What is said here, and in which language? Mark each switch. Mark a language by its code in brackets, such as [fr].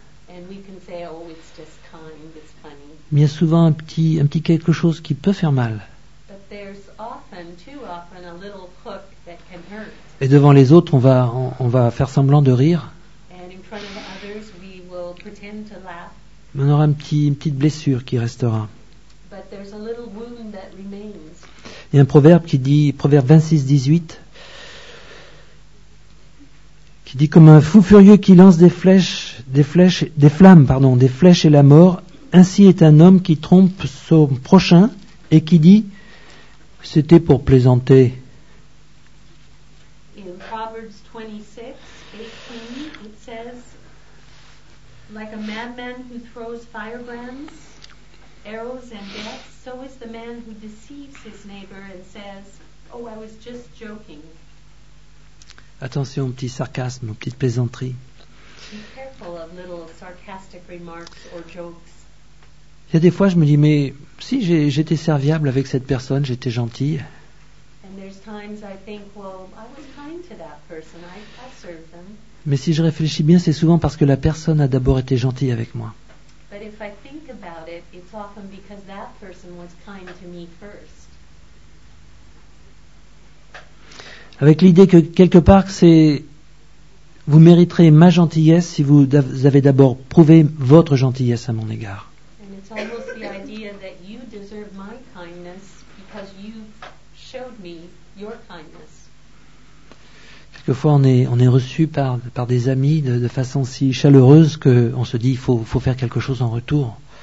[en] And we can say, oh, it's just kind, it's funny. [fr] Mais il y a souvent un petit quelque chose qui peut faire mal. [en] But there's often, too often, a little hook that can hurt. [fr] Et devant les autres, on va faire semblant de rire. [en] And in front of others, we will pretend to laugh. [fr] Mais on aura une petite blessure qui restera. [en] But there's a little wound that remains. [fr] Il y a un proverbe qui dit, proverbe 26-18, qui dit comme un fou furieux qui lance des flèches et la mort, ainsi est un homme qui trompe son prochain et qui dit c'était pour plaisanter. [en] In Proverbs 26:18, it says like a madman who throws firebrands, arrows and death, so is the man who deceives his neighbor and says, oh, I was just joking. [fr] Attention aux petits sarcasmes, aux petites plaisanteries. [en] Be careful of little sarcastic remarks or jokes. [fr] Il y a des fois, je me dis, mais si j'étais serviable avec cette personne, j'étais gentil. [en] And there's times I think, well, I was kind to that person, I served them. [fr] Mais si je réfléchis bien, c'est souvent parce que la personne a d'abord été gentille avec moi. [en] But if I think about it, it's often because that person was kind to me first. [fr] Avec l'idée que quelque part c'est vous mériterez ma gentillesse si vous avez d'abord prouvé votre gentillesse à mon égard. [en] And it's almost the idea that you deserve my kindness because you showed me your kindness. [fr] Quelquefois, on est reçu par des amis de façon si chaleureuse qu'on se dit il faut faire quelque chose en retour.